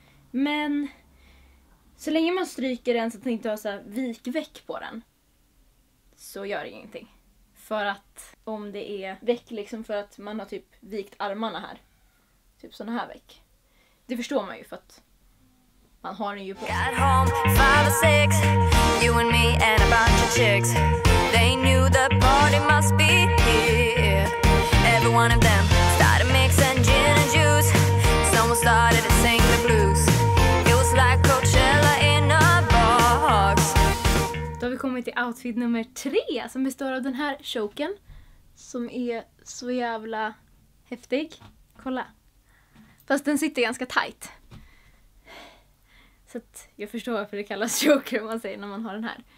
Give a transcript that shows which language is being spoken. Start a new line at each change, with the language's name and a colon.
Swedish: Men så länge man stryker den så att den inte har så här vikväck på den, så gör det ingenting. För att om det är väck liksom för att man har typ vikt armarna här. Typ såna här väck. Det förstår man ju för att man har den ju på.
English: Got home, 5 or 6. You and me and a bunch of chicks. They knew the party must be here. Every one of them started mixing gin and juice. Someone started to sing the blues. It was like Coachella in a box.
Swedish: Då har vi kommit till outfit nummer 3 som består av den här choken. Som är så jävla häftig. Kolla. Fast den sitter ganska tight. Så att jag förstår varför det kallas choker om man säger när man har den här.